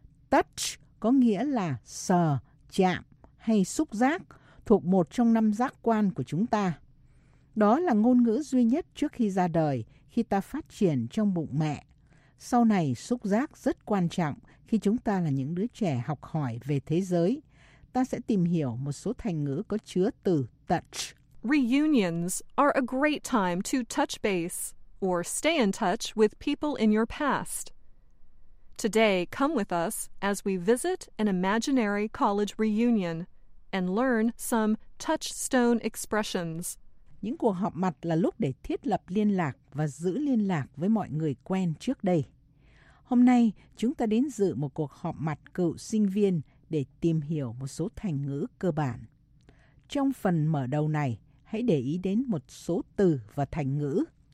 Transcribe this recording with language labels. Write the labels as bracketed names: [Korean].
[Vietnamese] Touch có nghĩa là sờ, chạm hay xúc giác, thuộc một trong năm giác quan của chúng ta. Đó là ngôn ngữ duy nhất trước khi ra đời, khi ta phát triển trong bụng mẹ. Sau này, xúc giác rất quan trọng khi chúng ta là những đứa trẻ học hỏi về thế giới. Ta sẽ tìm hiểu một số thành ngữ có chứa từ touch. [English] Reunions are a great time to touch base or stay in touch with people in your past. Today, come with us as we visit an imaginary college reunion and learn some touchstone expressions. [Vietnamese] Những cuộc họp mặt là lúc để thiết lập liên lạc và giữ liên lạc với mọi người quen trước đây. Hôm nay, chúng ta đến dự một cuộc họp mặt cựu sinh viên để tìm hiểu một số thành ngữ cơ bản. Trong phần mở đầu này, hãy để ý đến một số từ và thành ngữ.